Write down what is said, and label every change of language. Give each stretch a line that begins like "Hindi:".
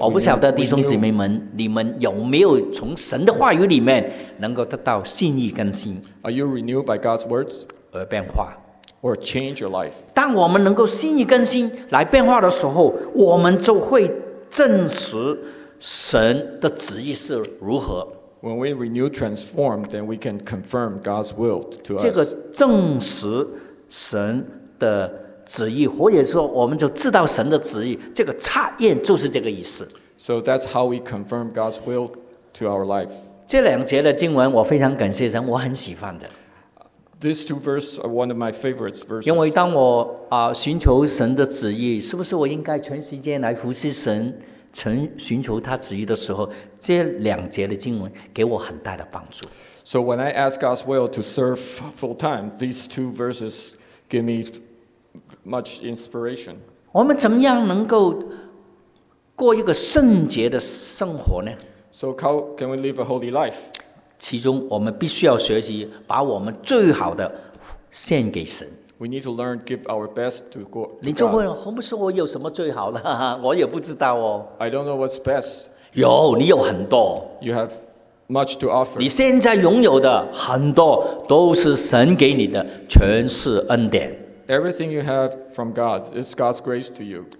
Chinese: 我不晓得弟兄姊妹们，你们有没有从神的话语里面能够得到心意更新
English: ？Are you renewed by God's words?
Chinese: 而变化。
English: Or change your life.
Chinese: 当我们能够心意更新来变化的时候，我们就会证实。神的旨意是如何
English: ？When we renew, transform, then we can confirm God's will to us.
Chinese: 这个证实神的旨意，或者说我们就知道神的旨意，这个查验就是这个意思。
English: So that's how we confirm God's will to our life.
Chinese: 这两节的经文我非常感谢神，我很喜欢的。
English: These two verses are one of my favorite verses.
Chinese: 因为当我寻求神的旨意，是不是我应该全时间来服侍神？寻求他旨意的时候，这两节的经文给我很大的帮助。
English: So when I ask God's will to serve full time, these two verses give me much inspiration.
Chinese: 我们怎么样能够过一个圣洁的生活呢
English: ？So how can we live a holy life?
Chinese: 其中我们必须要学习把我们最好的献给神。
English: We need to learn give our best to God.
Chinese: 你就问，我不是我有什么最好的，我也不知道
English: 哦。I don't know what's best.
Chinese: 有，你有很多。
English: You have much to offer.
Chinese: 你现在拥有的很多都是神给你的，全是恩典。
English: Everything you have from God is God's grace to you.